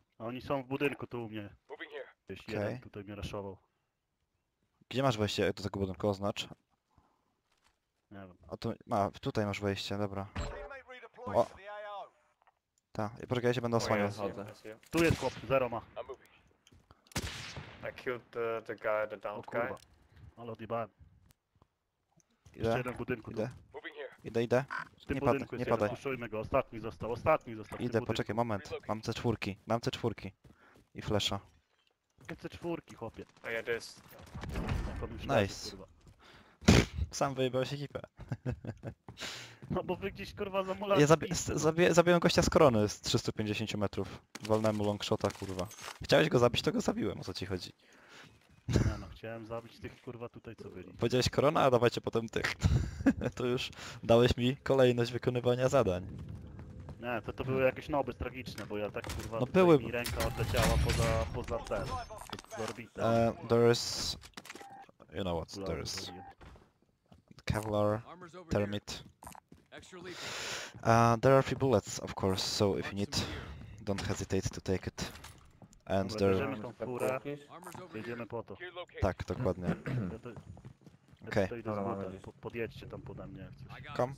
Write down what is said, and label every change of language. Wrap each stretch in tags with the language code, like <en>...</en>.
<pl>Oni są w budynku tu u mnie.</pl> <en>Moving here.</en> <pl>Gdzieś jeden tutaj mnie rushował. Gdzie masz wejście, jak to tego budynku oznacz? Nie wiem. A to... A, tutaj masz wejście, dobra. O! Tak, i poczekaj, ja się będę osłaniał. Tu jest chłop, zero ma.</pl> <en>I killed the guy, the downed guy.</en> <pl>Ale odjebałem. Jeszcze jeden w budynku tu. Ile? Idę. Nie padaj. Puszczujmy go, ostatni został. Idę, poczekaj, moment. Mam C4 i flesza. Mam C4, chłopie. A ja też. Nice. Sam wyjebał się ekipę. No bo wy gdzieś kurwa zamulacie. Ja zabiłem gościa z korony z 350 metrów. Wolnemu longshota kurwa. Chciałeś go zabić, to go zabiłem, o co ci chodzi. No, chciałem zabić tych kurwa tutaj co byli. Powiedziałeś korona, a dawajcie potem tych. To już dałeś mi kolejność wykonywania zadań. Nie, to były jakieś noby tragiczne, bo ja tak kurwa no, były... mi ręka odleciała poza ten. Z orbitę.</pl> <en>There's... You know what, there's... Kevlar, Termit. There are three bullets, of course, so if you need, don't hesitate to take it. And</en> <pl>dobra,</pl> <en>there...</en> <pl>Bierzemy tą furę, jedziemy po to. Tak, dokładnie. Okej. Podjedźcie tam pode mnie, jak chcesz.</pl>